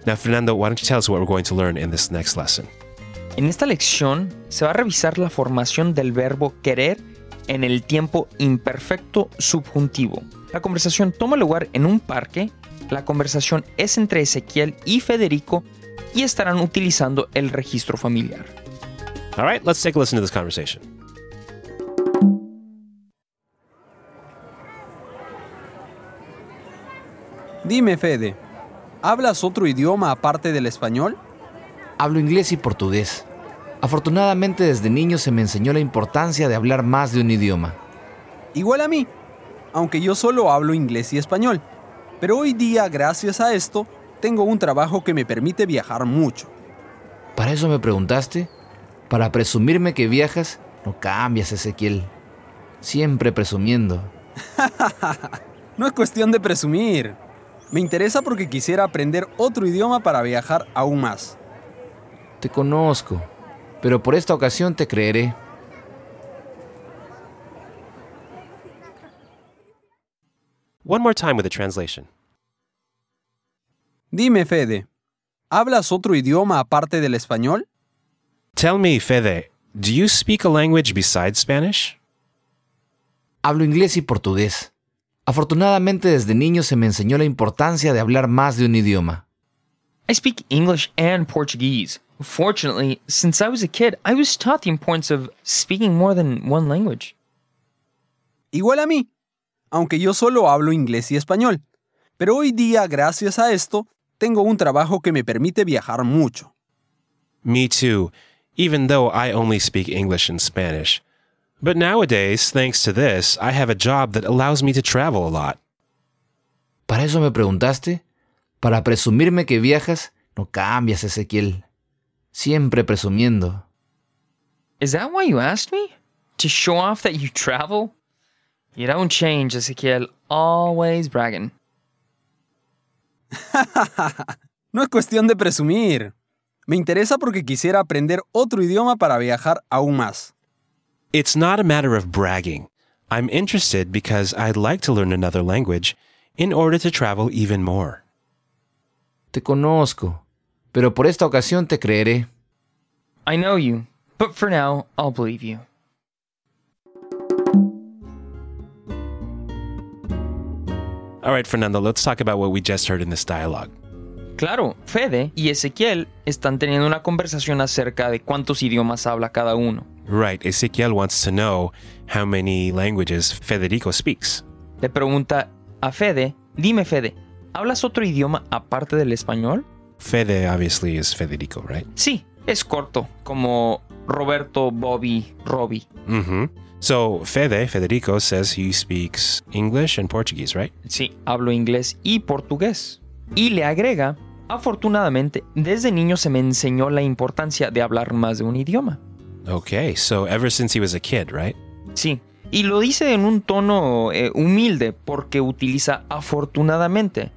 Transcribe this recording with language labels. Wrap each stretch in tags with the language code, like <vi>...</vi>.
<en>Now, Fernando, why don't you tell us what we're going to learn in this next lesson?</en> <es>En esta lección, se va a revisar la formación del verbo querer en el tiempo imperfecto subjuntivo. La conversación toma lugar en un parque. La conversación es entre Ezequiel y Federico y estarán utilizando el registro familiar.</es> <en>All right, let's take a listen to this conversation.</en> <es>Dime, Fede, ¿hablas otro idioma aparte del español? Hablo inglés y portugués. Afortunadamente, desde niño se me enseñó la importancia de hablar más de un idioma. Igual a mí, aunque yo solo hablo inglés y español. Pero hoy día, gracias a esto, tengo un trabajo que me permite viajar mucho. ¿Para eso me preguntaste? Para presumirme que viajas, no cambias, Ezequiel. Siempre presumiendo. No es cuestión de presumir. Me interesa porque quisiera aprender otro idioma para viajar aún más. Te conozco, pero por esta ocasión te creeré.</es> <en>One more time with the translation.</en> <es>Dime, Fede, ¿hablas otro idioma aparte del español?</es> <en>Tell me, Fede, do you speak a language besides Spanish?</en> <es>Hablo inglés y portugués. Afortunadamente, desde niño se me enseñó la importancia de hablar más de un idioma.</es> <en>I speak English and Portuguese. Fortunately, since I was a kid, I was taught the importance of speaking more than one language.</en> <es>Igual a mí, aunque yo solo hablo inglés y español. Pero hoy día, gracias a esto, tengo un trabajo que me permite viajar mucho.</es> <en>Me too, even though I only speak English and Spanish. But nowadays, thanks to this, I have a job that allows me to travel a lot.</en> <es>¿Para eso me preguntaste? Para presumirme que viajas, no cambias, Ezequiel. Siempre presumiendo.</es> <en>Is that why you asked me? To show off that you travel? You don't change, Ezequiel. Always bragging.</en> <es>No es cuestión de presumir. Me interesa porque quisiera aprender otro idioma para viajar aún más.</es> <en>It's not a matter of bragging. I'm interested because I'd like to learn another language in order to travel even more.</en> <es>Te conozco, pero por esta ocasión te creeré.</es> <en>I know you, but for now, I'll believe you. All right, Fernando, let's talk about what we just heard in this dialogue.</en> <es>Claro, Fede y Ezequiel están teniendo una conversación acerca de cuántos idiomas habla cada uno.</es> <en>Right, Ezequiel wants to know how many languages Federico speaks.</en> <es>Le pregunta a Fede, dime Fede, ¿hablas otro idioma aparte del español?</es> <en>Fede obviously is Federico, right?</en> <es>Sí, es corto, como Roberto, Bobby, Robbie. Mm-hmm.</es> <en>So Fede, Federico, says he speaks English and Portuguese, right?</en> <es>Sí, hablo inglés y portugués. Y le agrega, afortunadamente, desde niño se me enseñó la importancia de hablar más de un idioma.</es> <en>Okay, so ever since he was a kid, right?</en> <es>Sí, y lo dice en un tono humilde porque utiliza afortunadamente.</es>